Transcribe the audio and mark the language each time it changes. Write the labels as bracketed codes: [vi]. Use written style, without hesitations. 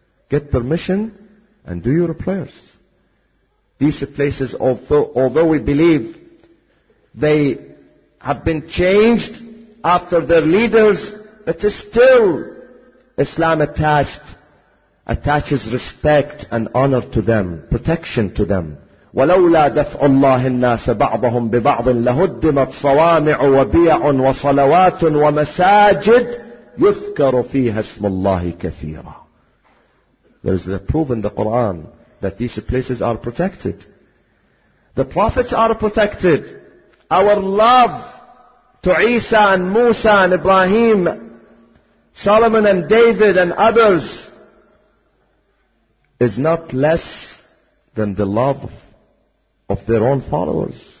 [en] Get permission and do your prayers. These places, although we believe they have been changed after their leaders, but still Islam attaches respect and honor to them, protection to them. [ar] ولولا دفع الله الناس بعضهم ببعض لهدمت صوامع وبيع وصلوات ومساجد يذكر فيها اسم الله كثيرا. [en] There is a proof in the Quran that these places are protected. The prophets are protected. Our love to Isa and Musa and Ibrahim, Solomon and David and others is not less than the love of their own followers.